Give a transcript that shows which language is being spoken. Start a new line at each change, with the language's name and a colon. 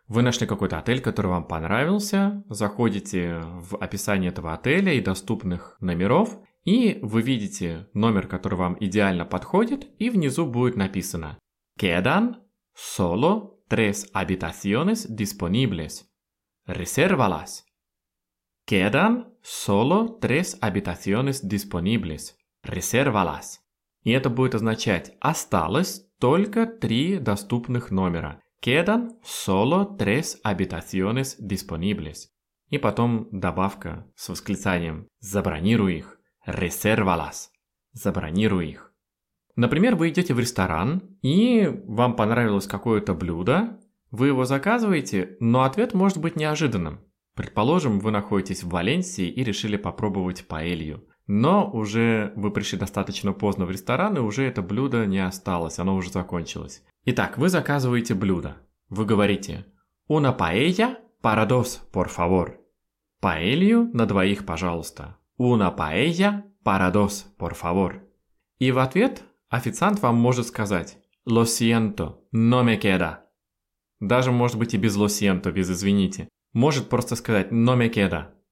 Russian: Вы нашли какой-то отель, который вам понравился, заходите в описание этого отеля и доступных номеров, и вы видите номер, который вам идеально подходит, и внизу будет написано
Spanish: «Quedan solo tres habitaciones disponibles. Resérvalas». «Quedan solo tres habitaciones disponibles. Resérvalas».
Russian: И это будет означать «Осталось только три доступных номера».
Spanish: Quedan solo tres habitaciones disponibles.
Russian: И потом добавка с восклицанием «Забронируй их».
Spanish: «Resérvalas».
Russian: «Забронируй их». Например, вы идете в ресторан, и вам понравилось какое-то блюдо, вы его заказываете, но ответ может быть неожиданным. Предположим, вы находитесь в Валенсии и решили попробовать паэлью. Но уже вы пришли достаточно поздно в ресторан, и уже это блюдо не осталось, оно уже закончилось. Итак, вы заказываете блюдо. Вы говорите
Spanish: «Una paella para dos, por favor».
Russian: «Паэлью на двоих, пожалуйста».
Spanish: «Una paella para dos, por favor».
Russian: И в ответ официант вам может сказать
Spanish: «Lo siento, no me queda».
Russian: Даже может быть и без «lo siento», без «извините». Может просто сказать
Spanish: «no me queda».